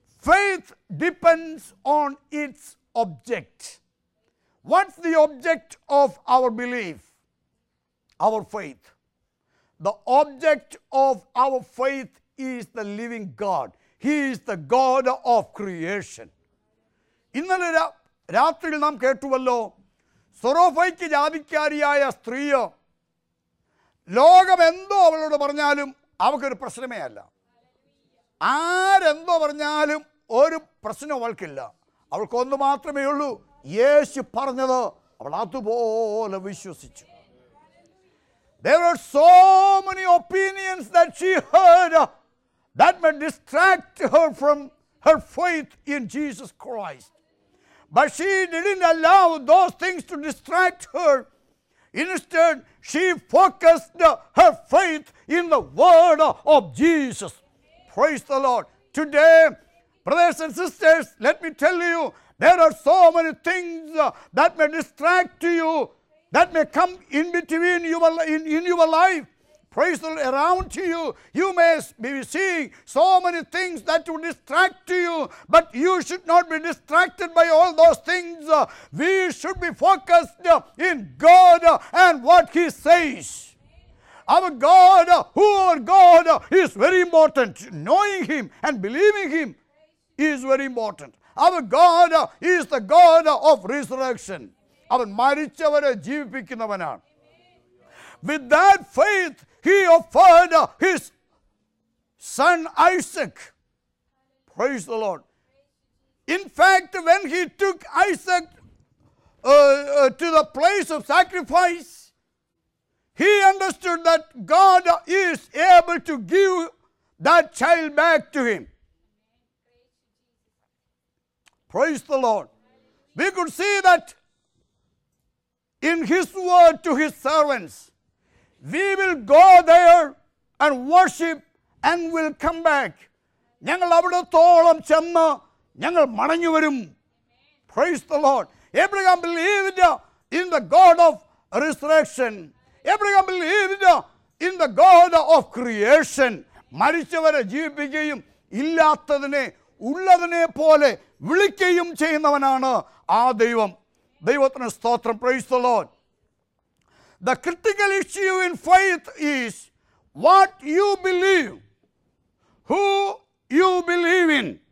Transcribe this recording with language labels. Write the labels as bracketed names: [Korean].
[English] Faith depends on its object. What's the object of our belief? Our faith. The object of our faith is the living God. He is the God of creation. [Malayalam] ഇന്നലെ രാത്രിയിൽ നാം കേട്ടുവല്ലോ, സൊറോഫയ്ക്ക് ജാതിക്കാരിയായ സ്ത്രീ ലോകം എന്തോ അവളോട് പറഞ്ഞാലും അവൾക്കൊരു പ്രശ്നമേ അല്ല. ആരെന്തോ പറഞ്ഞാലും ഒരു പ്രശ്നം അവൾക്കില്ല. അവൾക്കൊന്നു മാത്രമേ ഉള്ളൂ, യേശു പറഞ്ഞത് അവൾ അതുപോലെ വിശ്വസിച്ചു. [English] There were so many opinions that she heard that may distract her from her faith in Jesus Christ. But she didn't allow those things to distract her. Instead, she focused her faith in the word of Jesus. Praise the Lord. Today, brothers and sisters, let me tell you, there are so many things that may distract you, that may come in between your, in your life. Praise the Lord, around you, you may be seeing so many things that will distract you, but you should not be distracted by all those things. We should be focused in God and what He says. Our God, who our God is very important. Knowing Him and believing Him is very important. Our God is the God of resurrection. [Malayalam] അവൻ മരിച്ചവരെ ജീവിപ്പിക്കുന്നവനാണ്. [English] With that faith, He offered His son Isaac. Praise the Lord. In fact, when He took Isaac to the place of sacrifice, He understood that God is able to give that child back to Him. Praise the Lord. We could see that in His word to His servants, we will go there and worship and will come back. [Malayalam] ഞങ്ങൾ അവിടത്തോളം ചെന്ന് ഞങ്ങൾ മടങ്ങി വരും. [English] Praise the Lord. Abraham believed in the God of resurrection. Abraham believed in the God of creation. [Malayalam] മരിച്ചവരെ ജീവിപ്പിക്കുകയും ഇല്ലാത്തതിനെ ഉള്ളതിനെ പോലെ വിളിക്കുകയും ചെയ്യുന്നവനാണ് ആ ദൈവം. ദൈവത്തിന് സ്തോത്രം. [English] Praise the lord. The critical issue in faith is what you believe, who you believe in.